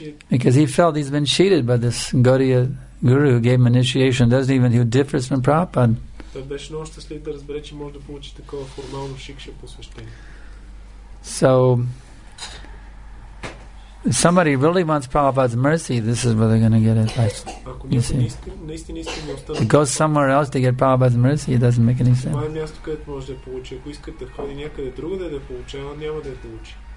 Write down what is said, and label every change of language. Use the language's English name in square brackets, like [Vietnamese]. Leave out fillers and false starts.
[English] Because he felt he's been cheated by this Gaudiya guru who gave him initiation, doesn't even, who differs from Prabhupada. [Bulgarian] Той беше много щастлив да разбере, че може да получи такова формално шикша посвещение. [English] So, if somebody really wants Prabhupada's mercy, this is where they're going to get it. [Bulgarian] Ако [English] go somewhere else to get Prabhupada's mercy, it doesn't make any sense. [Bulgarian] Това е място, където може да получи. Ако искат да ходи някъде другаде да получава, няма да получи.